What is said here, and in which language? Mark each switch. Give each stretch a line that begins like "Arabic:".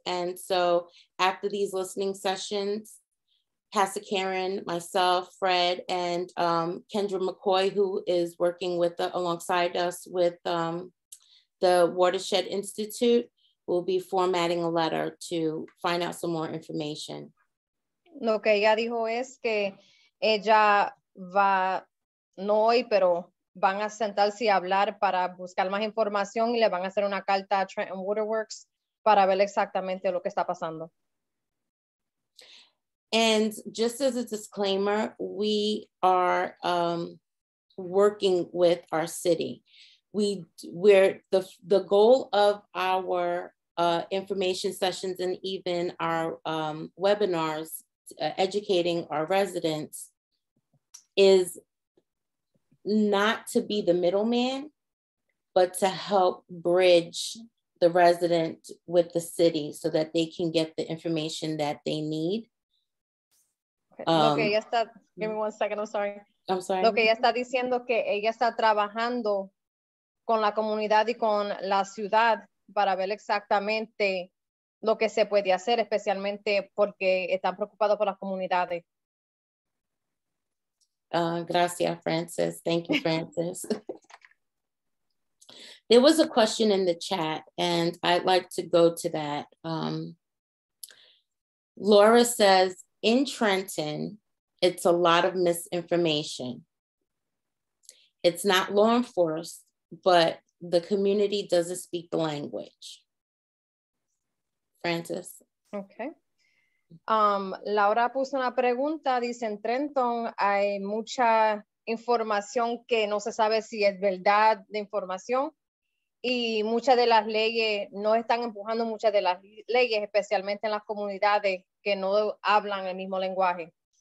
English: And so after these listening sessions, Pastor Karen, myself, Fred, and Kendra McCoy, who is working with alongside us with the Watershed Institute, will be formatting a letter to find out some more information.
Spanish: Lo que ella dijo es que ella va, no hoy, pero van a sentarse a hablar para buscar más información y le van a hacer una carta a Trenton Waterworks para ver exactamente lo que está pasando.
English: And just as a disclaimer, we are working with our city. The goal of our information sessions and even our webinars educating our residents is not to be the middleman, but to help bridge the resident with the city so that they can get the information that they need. Okay,
Spanish: ya está.
English: Give me one second. I'm sorry.
Spanish: Okay, ya está diciendo que ella está trabajando con la comunidad y con la ciudad para ver exactamente lo que se puede hacer, especialmente porque están preocupados por las comunidades. Gracias, Francis.
English: Thank you, Francis. There was a question in the chat, and I'd like to go to that. Laura says, in Trenton, it's a lot of misinformation. It's not law enforced, but the community doesn't speak the language. Francis. Okay.
Spanish: Laura puso una pregunta, dice, en Trenton hay mucha información que no se sabe si es verdad de información y muchas de las leyes, no están empujando muchas de las leyes, especialmente en las comunidades que no hablan el mismo lenguaje.